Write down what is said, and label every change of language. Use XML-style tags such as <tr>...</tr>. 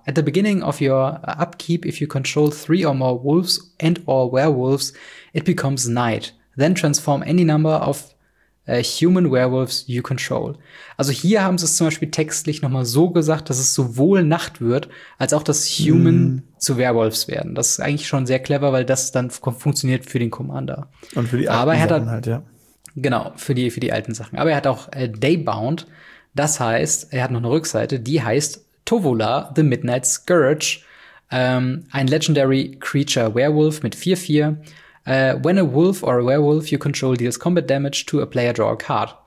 <en>At the beginning of your upkeep, if you control 3 or more wolves and or werewolves, it becomes night. Then transform any number of human werewolves you control.</en> <de>Also hier haben sie es zum Beispiel textlich noch mal so gesagt, dass es sowohl Nacht wird, als auch dass Human zu Werewolves werden. Das ist eigentlich schon sehr clever, weil das dann funktioniert für den Commander. Und für die Arten halt, Genau, für die alten Sachen. Aber er hat auch Daybound. Das heißt, er hat noch eine Rückseite, die heißt Tovolar, the Midnight Scourge. Ein Legendary Creature Werewolf mit 4/4.</de> <en>When a wolf or a werewolf you control deals combat damage to a player, draw a card.</en>